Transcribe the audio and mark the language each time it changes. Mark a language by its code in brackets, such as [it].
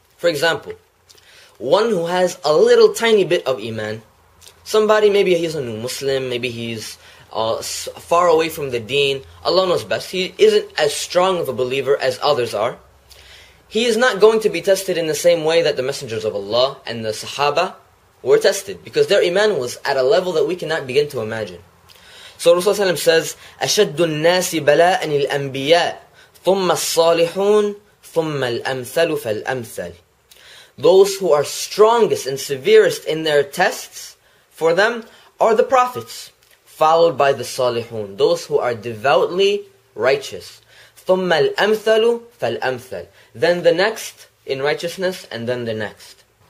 [en] For example, one who has a little tiny bit of iman, somebody, maybe he's a new Muslim, maybe he's far away from the deen, Allah knows best, he isn't as strong of a believer as others are, he is not going to be tested in the same way that the messengers of Allah and the Sahaba were tested, because their iman was at a level that we cannot begin to imagine. So Rasulullah says, [ar] أَشَدُّ النَّاسِ بَلَاءً الْأَنْبِيَاءِ ثُمَّ الصَّالِحُونَ ثُمَّ الْأَمْثَلُ فَالْأَمْثَلُ. [en] Those who are strongest and severest in their tests for them are the prophets, followed by the salihun, those who are devoutly righteous. [ar] ثُمَّ الْأَمْثَلُ فَالْأَمْثَلُ. [en] Then the next in righteousness, and then the next.